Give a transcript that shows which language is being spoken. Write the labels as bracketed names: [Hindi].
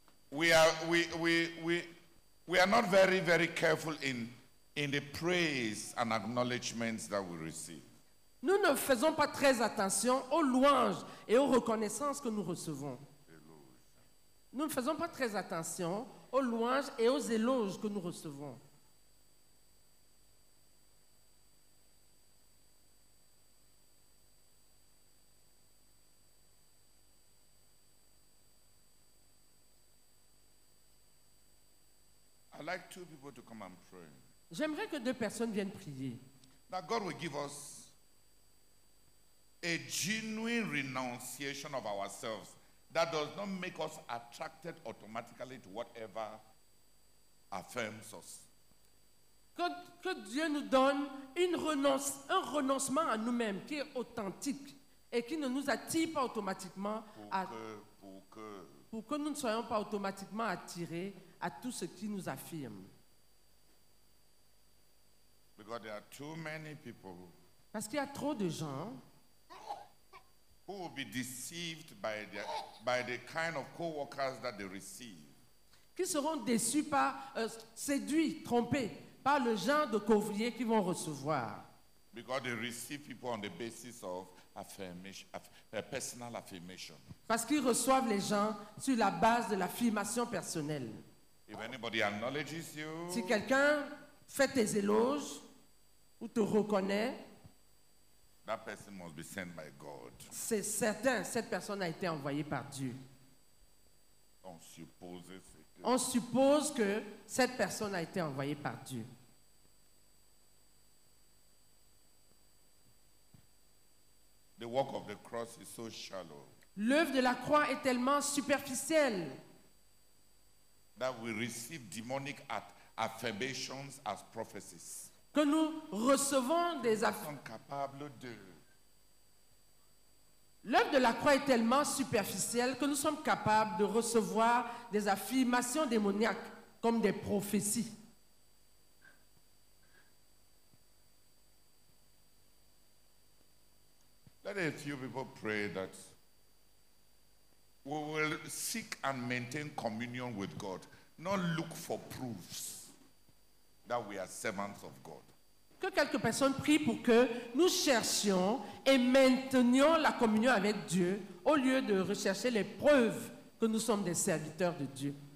[English] We are not very very careful in the praise and acknowledgments that we receive. [French] Nous ne faisons pas très attention aux louanges et aux reconnaissances que nous recevons. Nous ne faisons pas très attention aux louanges et aux éloges que nous recevons. [English] I'd like two people to come and pray. [French] J'aimerais que deux personnes viennent prier. [English] That God will give us a genuine renunciation of ourselves that does not make us attracted automatically to whatever affirms us. [French] Que Dieu nous donne un renoncement à nous-mêmes qui est authentique et qui ne nous attire pas automatiquement pour que nous ne soyons pas automatiquement attirés à tout ce qui nous affirme. [English] Because there are too many people. [French] Parce qu'il y a trop de gens. [English] Who will be deceived by the kind of co-workers that they receive? [French] Qui seront déçus par séduits, trompés par le genre de co-ouvriers qu'ils vont recevoir? [English] Because they receive people on the basis of personal affirmation. [French] Parce qu'ils reçoivent les gens sur la base de l'affirmation personnelle. [English] If anybody acknowledges you, [French] si quelqu'un fait tes éloges ou te reconnaît. [English] That person must be sent by God. [French] C'est certain, cette personne a été envoyée par Dieu. On suppose que cette personne a été envoyée par Dieu. [English] The work of the cross is so shallow. [French] L'œuvre de la croix est tellement superficielle. [English] That we receive demonic affirmations as prophecies. [French] Que nous recevons des L'œuvre de la croix est tellement superficielle que nous sommes capables de recevoir des affirmations démoniaques comme des prophéties. [English] Let a few people pray that we will seek and maintain communion with God, not look for proofs that we are servants of God. [French] Que quelques personnes prient pour que nous cherchions et maintenions la communion avec Dieu au lieu de rechercher les preuves que nous sommes des serviteurs de Dieu.